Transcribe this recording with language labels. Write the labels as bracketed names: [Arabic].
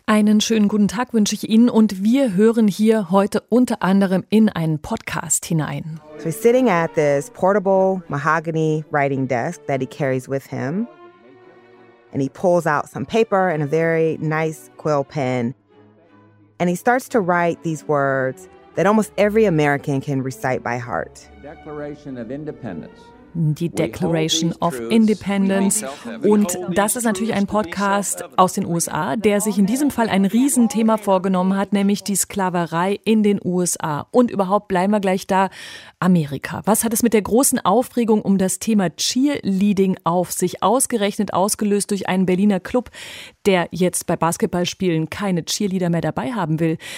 [German] Einen schönen guten Tag wünsche ich Ihnen und wir hören hier heute unter anderem in einen Podcast hinein. [English] So he's sitting at this portable mahogany writing desk that he carries with him. And he pulls out some paper and a very nice quill pen. And he starts to write these words that almost every American can recite by heart. Declaration of Independence. [German] Die Declaration of Independence. Und das ist natürlich ein Podcast aus den USA, der sich in diesem Fall ein Riesenthema vorgenommen hat, nämlich die Sklaverei in den USA. Und überhaupt bleiben wir gleich da, Amerika. Was hat es mit der großen Aufregung um das Thema Cheerleading auf sich, ausgerechnet ausgelöst durch einen Berliner Club, der jetzt bei Basketballspielen keine Cheerleader mehr dabei haben will?